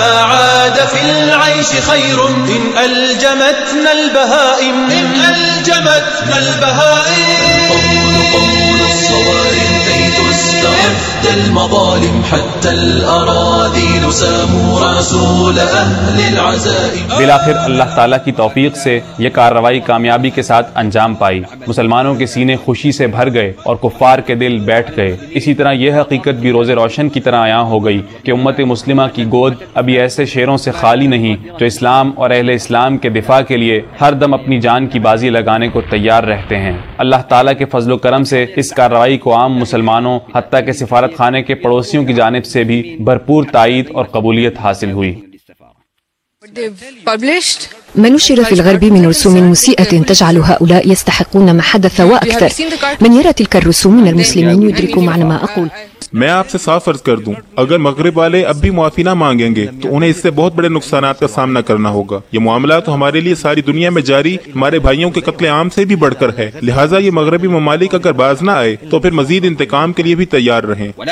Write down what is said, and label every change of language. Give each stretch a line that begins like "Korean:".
Arabic: ما عاد في العيش خير إن ألجمتنا البهائم، إن ألجمتنا البهائم. قول الصوارم كي تسترد المظالم، حتى الأراضي نسام رسول أهل العزائم.
Urdu: بالآخر اللہ تعالیٰ کی توفیق سے یہ کارروائی کامیابی کے ساتھ انجام پائی، مسلمانوں کے سینے خوشی سے بھر گئے اور کفار کے دل بیٹھ گئے۔ اسی طرح یہ حقیقت بھی روز روشن کی طرح عیاں ہو گئی کہ امت مسلمہ کی گود ابھی ایسے شیروں سے خالی نہیں جو اسلام اور اہل اسلام کے دفاع کے لیے ہر دم اپنی جان کی بازی لگانے کو تیار رہتے ہیں۔ اللہ تعالیٰ کے فضل و کرم سے اس کارروائی کو عام مسلمانوں، حتیٰ کہ سفارت خانے کے پڑوسیوں کی جانب سے بھی بھرپور تائید اور قبولیت حاصل ہوئی۔
Arabic: من نشر في الغرب من رسوم مسيئة تجعل هؤلاء يستحقون ما حدث وأكثر، من يرى تلك الرسوم من المسلمين يدرك معنى ما أقول۔
Urdu: میں آپ سے صاف عرض کر دوں، اگر مغرب والے اب بھی معافی نہ مانگیں گے تو انہیں اس سے بہت بڑے نقصانات کا سامنا کرنا ہوگا۔ یہ معاملہ تو ہمارے لیے ساری دنیا میں جاری ہمارے بھائیوں کے قتل عام سے بھی بڑھ کر ہے، لہٰذا یہ مغربی ممالک اگر باز نہ آئے تو پھر مزید انتقام کے لیے بھی تیار رہیں۔